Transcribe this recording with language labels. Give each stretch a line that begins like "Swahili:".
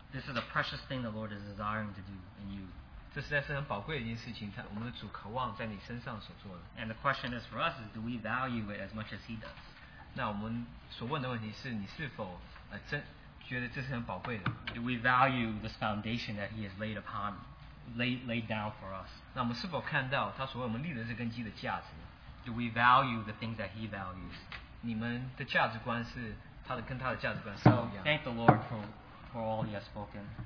English: This is a precious thing the Lord is desiring to do in you.
Chinese: 这实在是很宝贵的一件事情我们的主渴望在你身上所做的
English: And the question is for us is do we value it as much as he does?
Chinese: 那我们所问的问题是你是否
English: Do we value this foundation that he has laid upon, laid down for us? Do we value the things that he values? So thank the Lord for all he has spoken.